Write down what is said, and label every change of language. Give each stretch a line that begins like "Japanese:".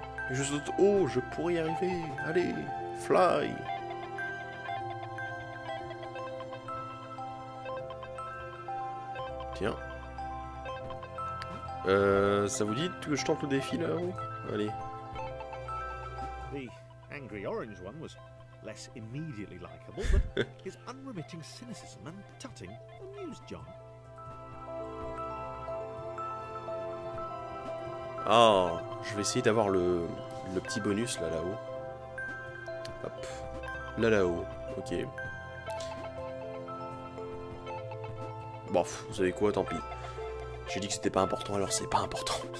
French: Je saute haut, je pourrais y arriver. Allez, fly. Tiens. Ça vous dit que je tente le défi là, oui? Allez.
English: The angry orange one was less immediately likable, but his unremitting cynicism and tutting amused John.
French: Ah, je vais essayer d'avoir le petit bonus là-haut. Hop. Là-haut. Ok. Bof, vous savez quoi, tant pis. J'ai dit que c'était pas important, alors c'est pas important.